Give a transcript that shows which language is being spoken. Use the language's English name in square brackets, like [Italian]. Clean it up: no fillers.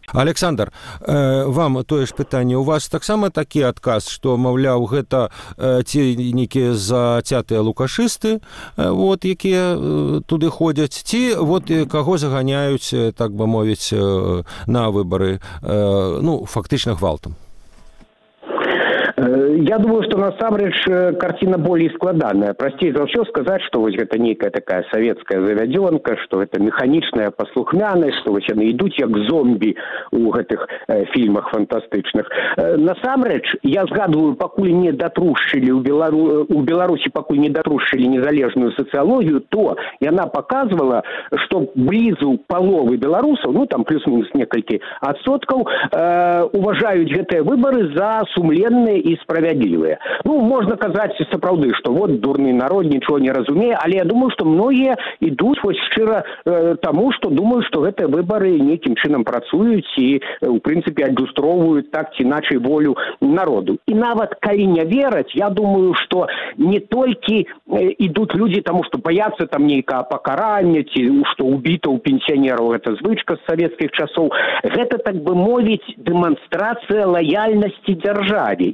[Belarusian] Александр, вам тое ж пытанне. У вас таксама такі адказ, што, маўляў, гэта ці некі зацятыя лукашысты, вот, якія туды ходзяць, ці вот, каго заганяюць, так бы мовіць, на выбары, ну, фактычна гвалтам? [Russian] Я думаю, что на самом деле картина более складанная. Простей за все сказать, что вот это некая такая советская заведенка, что это механичная послухмяность, что вот они идут как зомби у этих фильмах фантастичных. На самом деле, я сгадываю, покуль не дотрушили у Беларуси, покуль не дотрушили незалежную социологию, то и она показывала, что близу половы белорусов, ну там плюс-минус несколько отсотков, уважают эти выборы за сумленные і справядлівыя. [Belarusian] Ну, можна казаць сапраўды, што вот дурны народ нічого не разумее, але я думаю, што многія ідуць вось шчыра таму, што думаюць, што гэтыя выбары некім чынам працуюць і, у прынцыпе, адлюстроўваюць так ці іначай волю народу. І нават калі не вераць, я думаю, што не толькі ідуць людзі таму, што баяцца там нейкага пакарання ці што ўбіта ў пенсіянераў гэта звычка з савецкіх часоў, гэта, так бы мовіць, дэманстрацыя лаяльнасці дзяржаве.